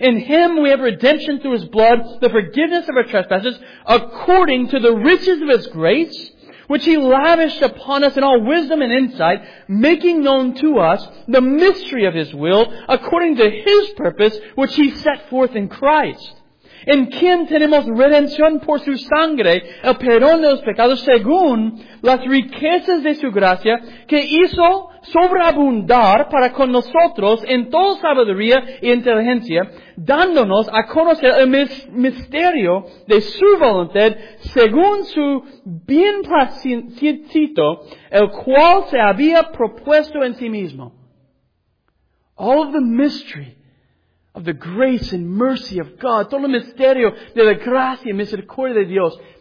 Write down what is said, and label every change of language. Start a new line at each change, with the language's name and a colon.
English: In Him we have redemption through His blood, the forgiveness of our trespasses, according to the riches of His grace, which He lavished upon us in all wisdom and insight, making known to us the mystery of His will, according to His purpose, which He set forth in Christ.
Spanish: En quien tenemos redención por su sangre, el perdón de los pecados, según las riquezas de su gracia, que hizo sobreabundar para con nosotros en toda sabiduría y inteligencia, dándonos a conocer el misterio de su voluntad, según su bien placido, el cual se había propuesto en sí mismo.
English: All of the mystery of the grace and mercy of God.
Spanish: Todo el misterio de la gracia y misericordia de Dios.